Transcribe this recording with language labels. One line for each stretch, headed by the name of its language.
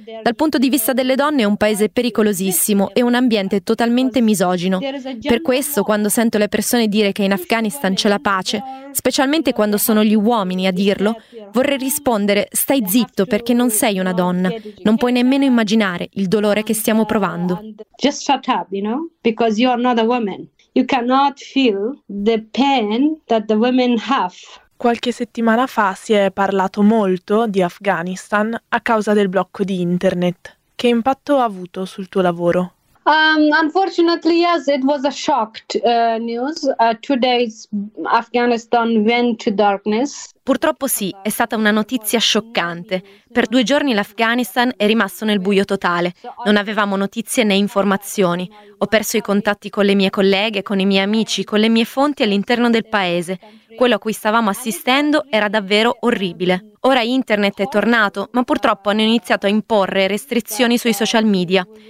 Italian: Dal punto di vista delle donne è un paese pericolosissimo e un ambiente totalmente misogino. Per questo, quando sento le persone dire che in Afghanistan c'è la pace, specialmente quando sono gli uomini a dirlo, vorrei rispondere: stai zitto perché non sei una donna. Non puoi nemmeno immaginare il dolore che stiamo provando.
English: Just shut up, you know, because you are not a woman. You cannot feel the pain that the women have.
Italian: Qualche settimana fa si è parlato molto di Afghanistan a causa del blocco di internet. Che impatto ha avuto sul tuo lavoro?
English: Unfortunately, yes, it was a shocked news. Two days Afghanistan went to darkness.
Italian: Purtroppo sì, è stata una notizia scioccante. Per due giorni l'Afghanistan è rimasto nel buio totale. Non avevamo notizie né informazioni. Ho perso i contatti con le mie colleghe, con i miei amici, con le mie fonti all'interno del paese. Quello a cui stavamo assistendo era davvero orribile. Ora internet è tornato, ma purtroppo hanno iniziato a imporre restrizioni sui social media.